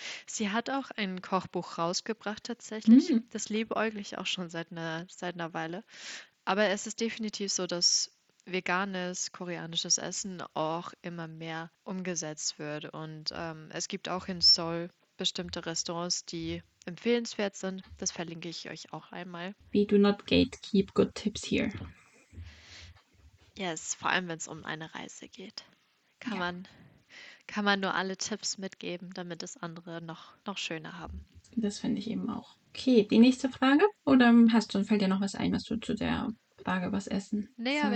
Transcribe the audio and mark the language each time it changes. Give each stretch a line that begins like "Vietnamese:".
German: Sie hat auch ein Kochbuch rausgebracht tatsächlich. Das liebäugle ich auch schon seit einer Weile. Aber es ist definitiv so, dass veganes koreanisches Essen auch immer mehr umgesetzt wird. Und es gibt auch in Seoul bestimmte Restaurants, die empfehlenswert sind. Das verlinke ich euch auch einmal.
English: We do not gatekeep good tips here.
German: Yes, vor allem wenn es um eine Reise geht, kann man nur alle Tipps mitgeben, damit es andere noch schöner haben. Das finde ich eben auch. Okay, die nächste Frage. Oder hast du, fällt dir noch was ein, was du zu der Frage was essen Nee, aber